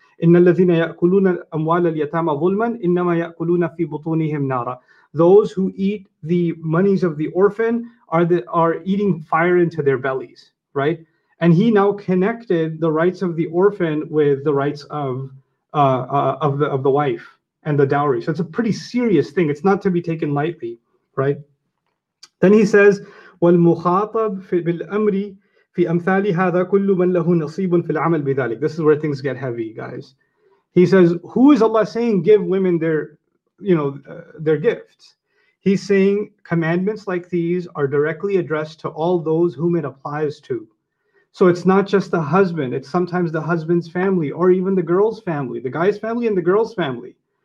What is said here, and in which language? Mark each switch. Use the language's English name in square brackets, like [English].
[Arabic] إِنَّ الَّذِينَ يَأْكُلُونَ أَمْوَالَ الْيَتَامَ ظُلْمًا إِنَّمَا يَأْكُلُونَ فِي بُطُونِهِمْ نَارًا [English] Those who eat the monies of the orphan are eating fire into their bellies, right? And he now connected the rights of the orphan with the rights of the wife and the dowry. So it's a pretty serious thing. It's not to be taken lightly, right? Then he says, [Arabic] والمخاطب بالأمر في أمثال هذا كل من له نصيب في العمل بذلك. [English] This is where things get heavy, guys. He says, who is Allah saying give women their gifts? He's saying commandments like these are directly addressed to all those whom it applies to. So it's not just the husband. It's sometimes the husband's family or even the girl's family, the guy's family and the girl's family.